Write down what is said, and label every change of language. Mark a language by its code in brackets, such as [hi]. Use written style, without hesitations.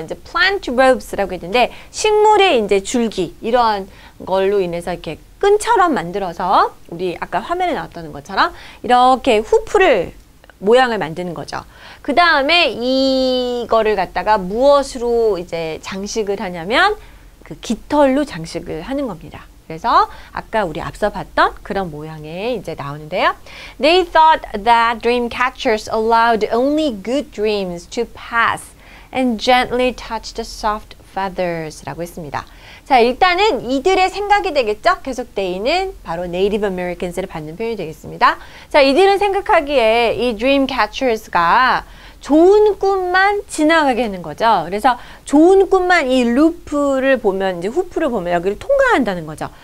[ko] 이제 plant ropes라고 했는데 식물의 이제 줄기 이런 걸로 인해서 이렇게 끈처럼 만들어서 우리 아까 화면에 나왔던 것처럼 이렇게 후프를 모양을 만드는 거죠. 그 다음에 이거를 갖다가 무엇으로 이제 장식을 하냐면 그 깃털로 장식을 하는 겁니다. 그래서 아까 우리 앞서 봤던 그런 모양에 이제 나오는데요. [en] They thought that dream catchers allowed only good dreams to pass and gently touch the soft feathers [ko] 라고 했습니다. 자, 일단은 이들의 생각이 되겠죠? 계속 they는 바로 Native Americans를 받는 표현이 되겠습니다. 자, 이들은 생각하기에 이 dream catchers가 좋은 꿈만 지나가게 하는 거죠. 그래서 좋은 꿈만 이 루프를 보면, 이제 후프를 보면 여기를 통과한다는 거죠.